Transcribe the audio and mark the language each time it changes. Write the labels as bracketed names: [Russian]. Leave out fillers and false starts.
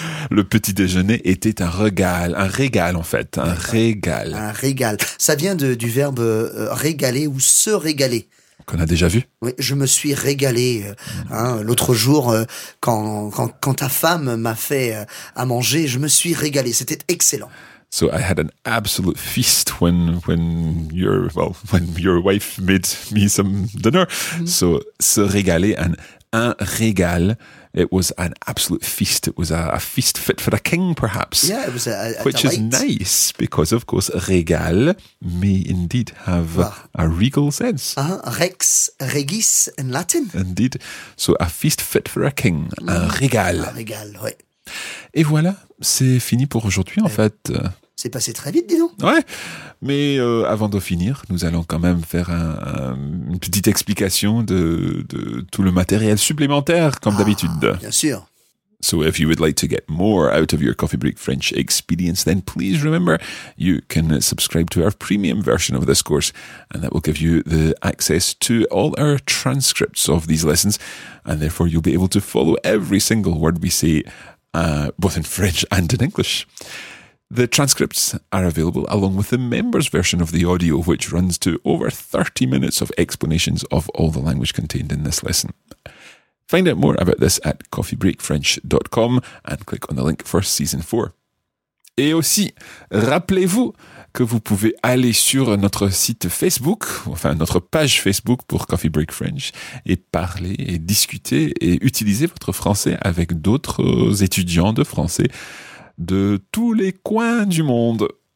[French] Le petit déjeuner était un régal, en fait, un régal. Un régal, ça vient du verbe régaler ou se régaler. Qu'on a déjà vu. Oui, je me suis régalé l'autre jour quand ta femme m'a fait à manger, je me suis régalé, c'était excellent. [English] So I had an absolute feast when your wife made me some dinner. So se régaler, un régal, it was an absolute feast. It was a feast fit for a king, perhaps. Yeah, it was a which delight. Is nice because, of course, régal may indeed have a regal sense. Rex regis in Latin. Indeed. So a feast fit for a king, un régal. [French] Un régal, oui. Et voilà, c'est fini pour aujourd'hui, en fait. C'est passé très vite, dis donc. Ouais, mais avant de finir, nous allons quand même faire une petite explication de tout le matériel supplémentaire, comme d'habitude. Bien sûr. [English] So if you would like to get more out of your Coffee Break French experience, then please remember you can subscribe to our premium version of this course, and that will give you the access to all our transcripts of these lessons, and therefore you'll be able to follow every single word we say, both in French and in English. The transcripts are available along with the members' version of the audio, which runs to over 30 minutes of explanations of all the language contained in this lesson. Find out more about this at coffeebreakfrench.com and click on the link for Season 4. [French] Et aussi, rappelez-vous que vous pouvez aller sur notre site Facebook, enfin notre page Facebook pour Coffee Break French, et parler, et discuter, et utiliser votre français avec d'autres étudiants de français de tous les coins du monde.